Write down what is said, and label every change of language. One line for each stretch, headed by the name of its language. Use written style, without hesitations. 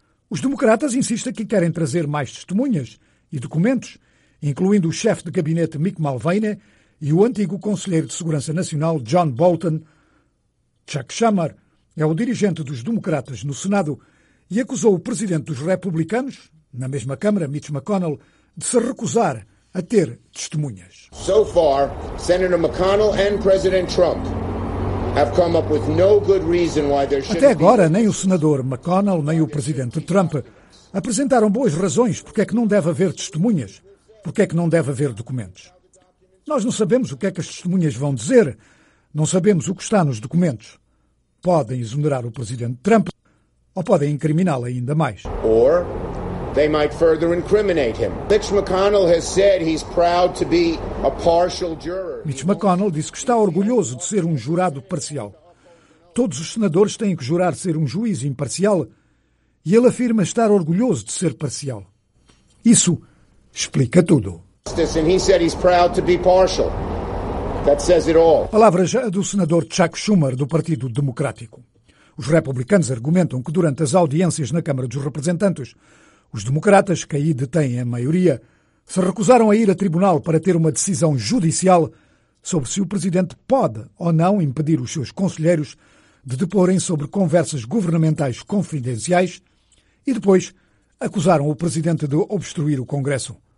Portuguese: Os democratas insistem que querem trazer mais testemunhas e documentos, incluindo o chefe de gabinete Mick Mulvaney e o antigo conselheiro de Segurança Nacional John Bolton. Chuck Schumer é o dirigente dos democratas no Senado e acusou o presidente dos republicanos, na mesma Câmara, Mitch McConnell, de se recusar a ter testemunhas.
English: So far, Senator McConnell and President Trump have come up with no good reason why there should be.
Portuguese: Até agora, nem o senador McConnell nem o presidente Trump apresentaram boas razões porque é que não deve haver testemunhas, porque é que não deve haver documentos. Nós não sabemos o que é que as testemunhas vão dizer, não sabemos o que está nos documentos. Podem exonerar o presidente Trump ou podem incriminá-lo ainda mais.
English: Or they might further incriminate him. Mitch McConnell has said he's proud to be a partial juror.
Portuguese: Mitch McConnell disse que está orgulhoso de ser um jurado parcial. Todos os senadores têm que jurar ser um juiz imparcial e ele afirma estar orgulhoso de ser parcial. Isso explica tudo.
English: And he said he's proud to be partial. That says it all.
Portuguese: Palavras do senador Chuck Schumer, do Partido Democrático. Os republicanos argumentam que durante as audiências na Câmara dos Representantes, os democratas, que aí detêm a maioria, se recusaram a ir a tribunal para ter uma decisão judicial sobre se o presidente pode ou não impedir os seus conselheiros de deporem sobre conversas governamentais confidenciais e depois acusaram o presidente de obstruir o Congresso.